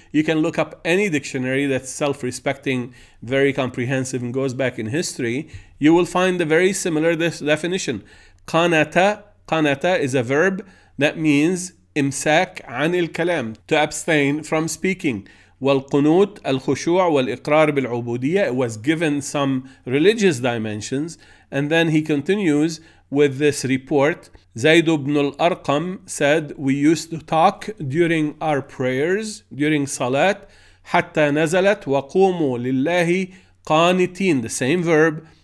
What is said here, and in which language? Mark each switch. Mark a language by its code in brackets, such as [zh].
[en] You can look up any dictionary that's self-respecting, very comprehensive, and goes back in history. You will find a very similar definition. Qanata, qanata is a verb that means imsak an al-kalam, to abstain from speaking. [ar] والقنوت الخشوع والإقرار بالعبودية. [en] It was given some religious dimensions. And then he continues with this report. زيد بن الأرقم said, we used to talk during our prayers, during salat, [ar] حتى نزلت وقوموا لله قانتين. [en] The same verb.